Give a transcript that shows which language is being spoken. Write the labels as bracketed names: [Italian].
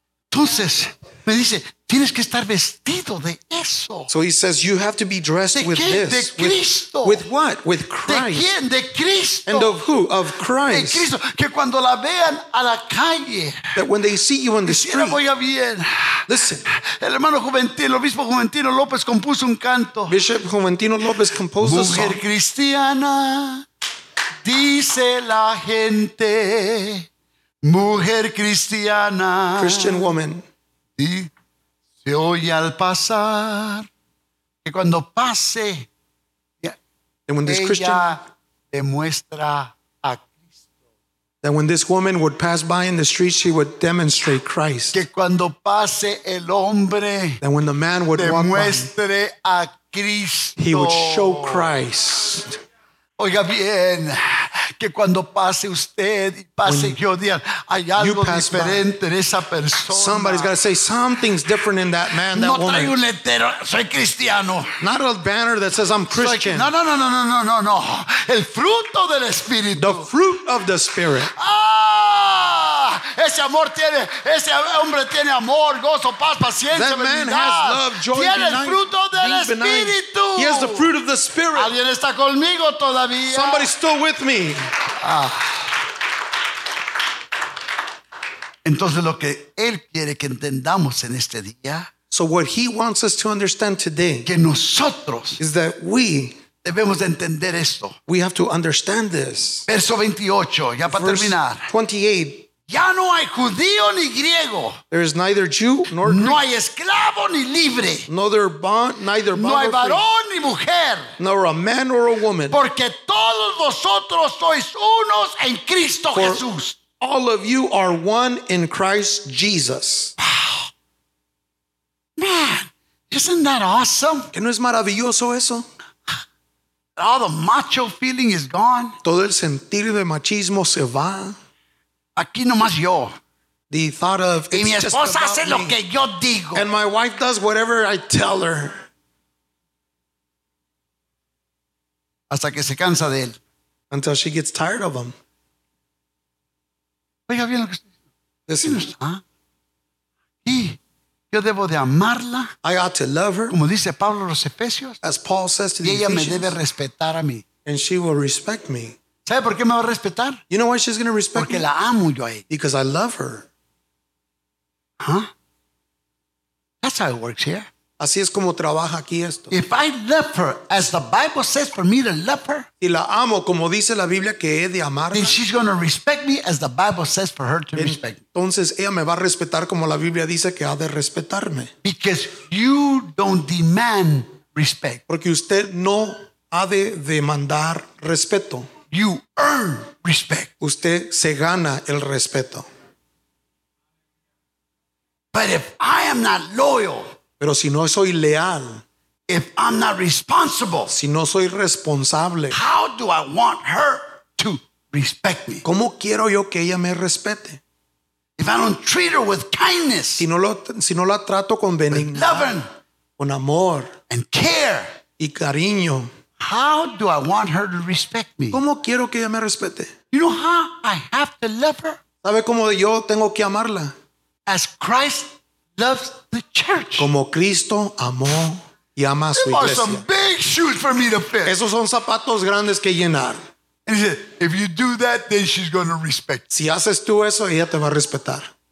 [Spanish] Entonces, me dice, tienes que estar vestido de eso. [English] So he says, you have to be dressed [Spanish] ¿De [English] with [Spanish] quién? [English] This. [Spanish] De Cristo. [English] With what? With Christ. [Spanish] ¿De quién? De Cristo. [English] And of who? Of Christ. [Spanish] De Cristo. Que cuando la vean a la calle. [English] That when they see you on the street. [Spanish] Voy a bien. [English] Listen. [Spanish] El hermano Juventino, el obispo Juventino López compuso un canto. [English] Bishop Juventino López composed [Spanish] Mujer [English] a song. [Spanish] Mujer cristiana, dice la gente. Mujer cristiana. [English] Christian woman. [Spanish] Y se oye al pasar que cuando pase [English] and when this [Spanish] ella [English] Christian, [Spanish] demuestra a Cristo [English] that when this woman would pass by in the street she would demonstrate Christ [Spanish] que cuando pase el hombre [English] that when the man would [Spanish] demuestre [English] walk by, [Spanish] a Cristo [English] he would show Christ. [Spanish] Oiga bien, que cuando pase usted y pase yo día, hay algo diferente en esa persona. [English] Somebody's got to say something's different in that man, that woman. [Spanish] No trae un letrero, soy cristiano. [English] Not a banner that says I'm Christian. [Spanish] No, no, no, no, no, no, no, no. El fruto del Espíritu. [English] The fruit of the Spirit. Ah, [Spanish] Ese amor tiene, ese hombre tiene amor, gozo, paz, paciencia, [English] that man has love, joy, [Spanish] tiene el fruto del Espíritu. [English] He has the fruit of the Spirit. [Spanish] ¿Alguien está conmigo todavía? [English] Somebody's still with me. [Spanish] Entonces lo que él quiere que entendamos en este día, [English] so what he wants us to understand today, [Spanish] que nosotros, [English] is that we [Spanish] debemos de entender esto. [English] We have to understand this. [Spanish] Verso 28, ya para terminar. 28. Ya no hay judío ni griego. [English] There is neither Jew nor Greek. [Spanish] No hay esclavo ni libre. [English] Neither bond. [Spanish] No hay varón ni mujer. [English] Nor a man or a woman. [Spanish] Porque todos vosotros sois unos en Cristo Jesús. [English] All of you are one in Christ Jesus. Wow. Man, isn't that awesome? [Spanish] ¿Que no es maravilloso eso? [English] All the macho feeling is gone. [Spanish] Todo el sentir de machismo se va. Aquí nomás yo. [English] The thought of, [Spanish] y mi esposa hace lo que yo digo. [English] And my wife does whatever I tell her. [Spanish] Hasta que se cansa de él. [English] Until she gets tired of him. [Spanish] Oiga bien lo que estoy diciendo. Y yo debo de amarla. [English] I ought to love her. [Spanish] Como dice Pablo a los Efesios. [English] As Paul says to the [Spanish] y ella [English] Ephesians, [Spanish] me debe respetar a mí. [English] And she will respect me. [Spanish] ¿Sabe por qué me va a respetar? [English] You know why she's going to respect [Spanish] Porque [English] me? [Spanish] La amo yo a ella. [English] Because I love her. Huh? That's how it works here. [Spanish] Así es como trabaja aquí esto. [English] If I love her, as the Bible says for me to love her, [Spanish] y la amo como dice la Biblia que he de amarla, [English] then she's going to respect me as the Bible says for her to respect me. [Spanish] Entonces ella me va a respetar como la Biblia dice que ha de respetarme. [English] Because you don't demand respect. [Spanish] Porque usted no ha de demandar respeto. [English] You earn respect. [Spanish] Usted se gana el respeto. [English] But if I am not loyal, [Spanish] pero si no soy leal, [English] if I'm not responsible, [Spanish] si no soy responsable, [English] how do I want her to respect me? [Spanish] ¿Cómo quiero yo que ella me respete? [English] If I don't treat her with kindness, [Spanish] si no la trato con benignidad, [English] with loving, [Spanish] con amor, [English] and care, [Spanish] y cariño, [English] how do I want her to respect me? [Spanish] ¿Cómo quiero que ella me respete? [English] You know how I have to love her? [Spanish] ¿Sabe cómo yo tengo que amarla? [English] As Christ loves the church. [Spanish] Como Cristo amó y ama a su iglesia. [English] Those are some big shoes for me to fill. [Spanish] Esos son zapatos grandes que llenar. [English] And he said, if you do that, then she's going to respect you. [Spanish] Si haces tú eso, ella te va a respetar.